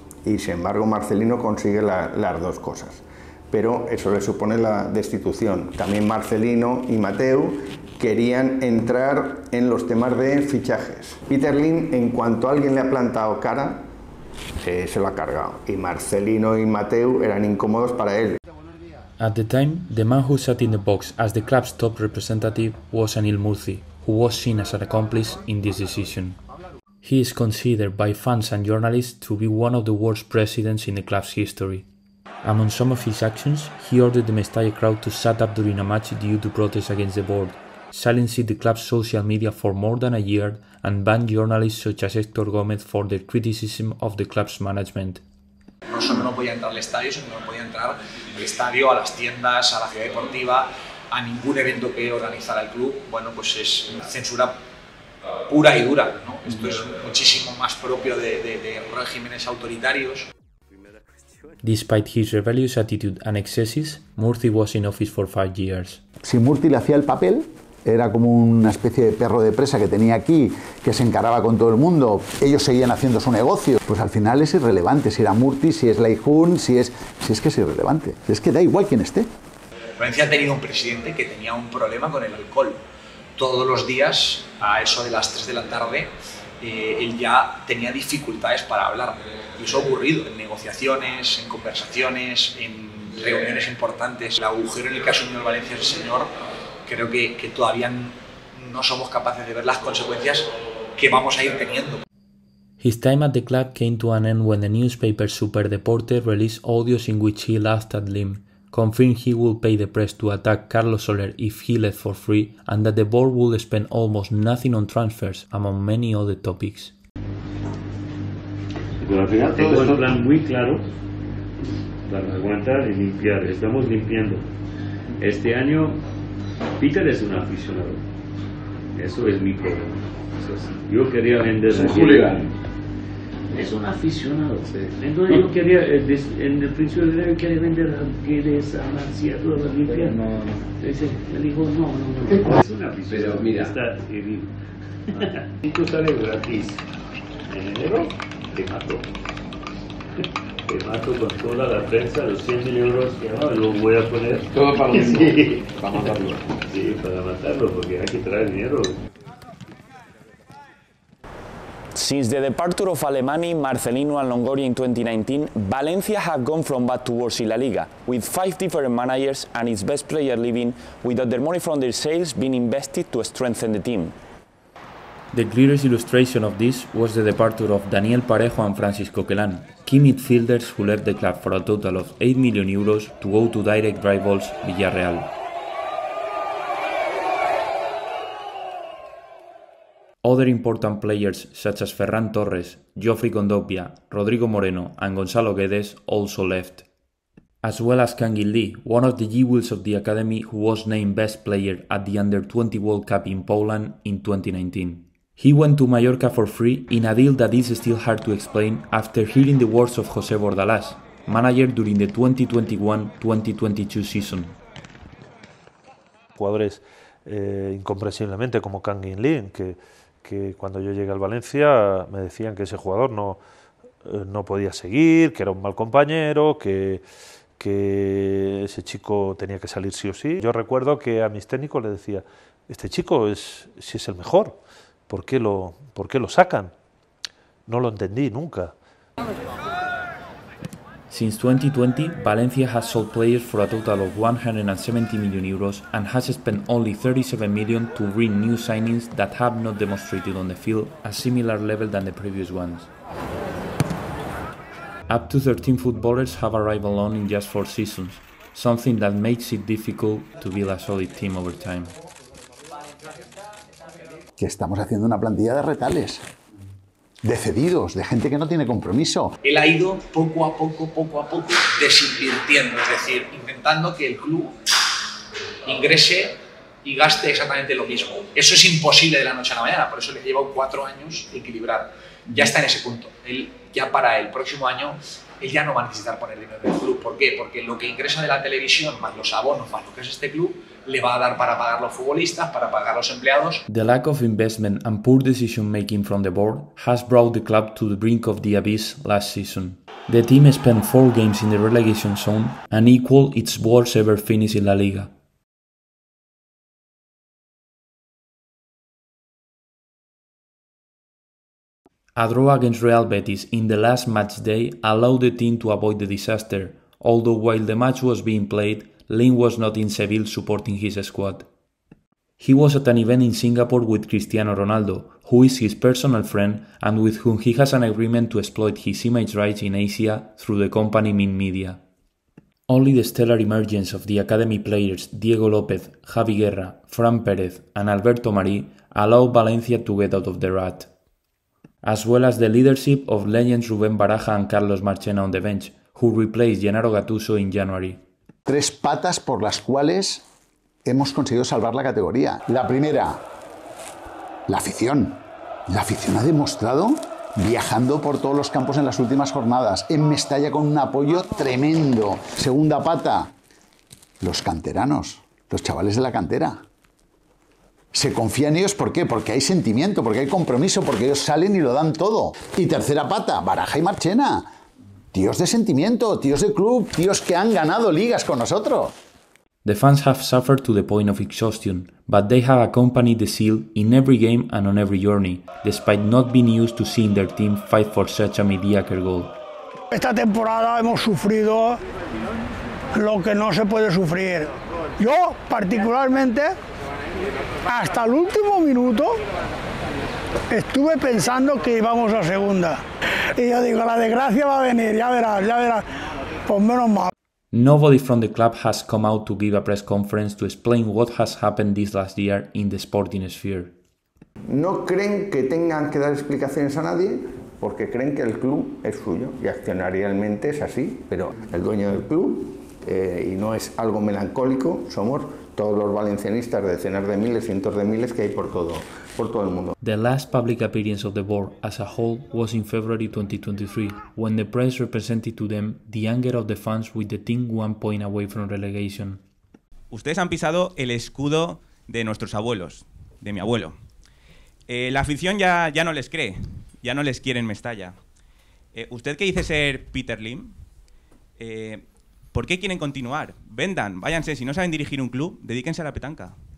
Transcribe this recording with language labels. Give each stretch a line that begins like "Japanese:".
Spanish: Y sin embargo Marcelino consigue las dos cosas, pero eso le supone la destitución. También Marcelino y Mateu, querían entrar en los temas de fichajes. Peter Lim, en cuanto alguien le ha plantado cara, se lo ha cargado. Y Marcelino y Mateu eran incómodos para él.
English: At the time, the man who sat in the box as the club's top representative was Anil Murthy, who was seen as an accomplice in this decision. He is considered by fans and journalists to be one of the worst presidents in the club's history. Among some of his actions, he ordered the Mestalla crowd to shut up during a match due to protests against the board, silenced the club's social media for more than a year, and banned journalists such as Héctor Gómez for their criticism of the club's management.
Spanish: No solo no podía entrar al estadio, sino que no podía entrar al estadio, a las tiendas, a la ciudad deportiva, a ningún evento que organizara el club. Bueno, pues es censura pura y dura, ¿no? Esto es muchísimo más propio de regímenes autoritarios.
English: Despite his rebellious attitude and excesses, Murthy was in office for 5 years.
Spanish: Si Murthy le hacía el papel, era como una especie de perro de presa que tenía aquí, que se encaraba con todo el mundo, ellos seguían haciendo su negocio, pues al final es irrelevante si era Murthy, si es Leijun, si es irrelevante. Es que da igual quién esté. Valencia ha tenido un presidente que tenía un problema con el alcohol. Todos los días, a eso de las 3 de la tarde, él ya tenía dificultades para hablar. Y eso ha ocurrido en negociaciones, en conversaciones, en reuniones importantes. El agujero en el que asumió el Valencia el señor, creo que todavía no somos capaces de ver las consecuencias que vamos a ir teniendo.
English: His time at the club came to an end when the newspaper Super Deporte released audios in which he laughed at Lim, confirmed he would pay the press to attack Carlos Soler if he left for free, and that the board would spend almost nothing on transfers, among many other topics.
Spanish: Pero al final tengo el plan muy claro para aguantar y limpiar. Estamos limpiando. Este año, Peter es un aficionado. Eso es mi problema. Yo quería vender aquí. Es un hooligan. Es un aficionado. Sí. Entonces yo quería, en el principio del año, quería vender a Guedes, a Marcia, todo lo limpiar. No, no. Él dijo, no. Es un aficionado. Pero mira. Está herido. Ah. Y tú sales gratis. En enero. Te mato con toda la prensa, los 100.000 euros que ahora los voy a poner. Todo para matarlo. Sí, para matarlo, porque hay que traer dinero.
English: Since the departure of Alemany, Marcelino and Longoria in 2019, Valencia have gone from bad to worse in La Liga, with 5 different managers and its best player leaving, without their money from their sales being invested to strengthen the team. The clearest illustration of this was the departure of Daniel Parejo and Francis Coquelin, key midfielders who left the club for a total of 8 million euros to go to direct rivals Villarreal. Other important players such as Ferran Torres, Geoffrey Condopia, Rodrigo Moreno and Gonzalo Guedes also left. As well as Kang Il-lee, one of the jewels of the academy, who was named best player at the Under-20 World Cup in Poland in 2019. He went to Mallorca for free in a deal that is still hard to explain after hearing the words of José Bordalás, manager during the 2021-2022 season.
Spanish: Jugadores incomprensiblemente como Kang Il-lee, que cuando yo llegué al Valencia me decían que ese jugador no podía seguir, que era un mal compañero, que ese chico tenía que salir sí o sí. Yo recuerdo que a mis técnicos le decía, este chico es el mejor, ¿por qué lo sacan? No lo entendí nunca.
English: Since 2020, Valencia has sold players for a total of 170 million euros and has spent only 37 million to bring new signings that have not demonstrated on the field a similar level than the previous ones. Up to 13 footballers have arrived alone in just 4 seasons, something that makes it difficult to build a solid team over time.
Spanish: Que estamos haciendo una plantilla de retales. De cedidos, de gente que no tiene compromiso. Él ha ido poco a poco desinvirtiendo, es decir, intentando que el club ingrese y gaste exactamente lo mismo. Eso es imposible de la noche a la mañana, por eso le lleva 4 años equilibrar. Ya está en ese punto. Él, ya para el próximo año, él ya no va a necesitar poner dinero del club. ¿Por qué? Porque lo que ingresa de la televisión, más los abonos, más lo que es este club, le va a dar para pagar los futbolistas, para pagar los empleados.
English: The lack of investment and poor decision making from the board has brought the club to the brink of the abyss last season. The team spent 4 games in the relegation zone and equaled its worst ever finish in La Liga. A draw against Real Betis in the last match day allowed the team to avoid the disaster, although while the match was being played, Lin was not in Seville supporting his squad. He was at an event in Singapore with Cristiano Ronaldo, who is his personal friend and with whom he has an agreement to exploit his image rights in Asia through the company Min Media. Only the stellar emergence of the academy players Diego López, Javi Guerra, Fran Pérez and Alberto Marí allowed Valencia to get out of the rut, as well as the leadership of legends Rubén Baraja and Carlos Marchena on the bench, who replaced Gennaro Gattuso in January.
Spanish: Tres patas por las cuales hemos conseguido salvar la categoría. La primera, la afición. La afición ha demostrado, viajando por todos los campos en las últimas jornadas, en Mestalla con un apoyo tremendo. Segunda pata, los canteranos, los chavales de la cantera. Se confía en ellos, ¿por qué? Porque hay sentimiento, porque hay compromiso, porque ellos salen y lo dan todo. Y tercera pata, Baraja y Marchena. Tíos de sentimiento, tíos de club, tíos que han ganado ligas con nosotros.
English: The fans have suffered to the point of exhaustion, but they have accompanied the seal in every game and on every journey, despite not being used to seeing their team fight for such a mediocre goal.
Spanish: Esta temporada hemos sufrido lo que no se puede sufrir. Yo, particularmente, hasta el último minuto estuve pensando que íbamos a segunda. Y yo digo, la desgracia va a venir, ya verás, pues menos mal.
English: Nobody from the club has come out to give a press conference to explain what has happened this last year in the sporting sphere.
Spanish: No creen que tengan que dar explicaciones a nadie porque creen que el club es suyo y accionarialmente es así, pero el dueño del club, y no es algo melancólico, somos todos los valencianistas, decenas de miles, cientos de miles que hay por todo el mundo.
English: The last public appearance of the board as a whole was in February 2023, when the press represented to them the anger of the fans with the team one point away from relegation.
Spanish: Ustedes han pisado el escudo de nuestros abuelos, de mi abuelo. La afición ya no les cree, ya no les quiere en Mestalla. ¿Usted qué dice ser Peter Lim? ¿Por qué quieren continuar? Vendan, váyanse. Si no saben dirigir un club, dedíquense a la petanca.